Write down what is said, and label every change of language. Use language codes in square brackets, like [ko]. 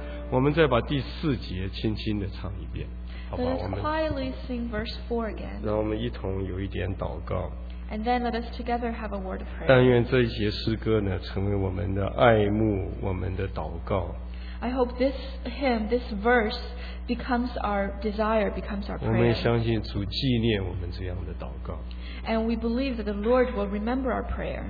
[zh] 我们再把第四节轻轻的唱一遍，好吧？ [en] Let us quietly sing verse 4 again. [zh] 让我们一同有一点祷告。 [en] And then let us together have a word of prayer. [zh] 但愿这一节诗歌呢，成为我们的爱慕，我们的祷告。 [en] I hope this hymn, this verse, becomes our desire, becomes our prayer. [zh] 我们相信主纪念我们这样的祷告。 [en] And we believe that the Lord will remember our prayer.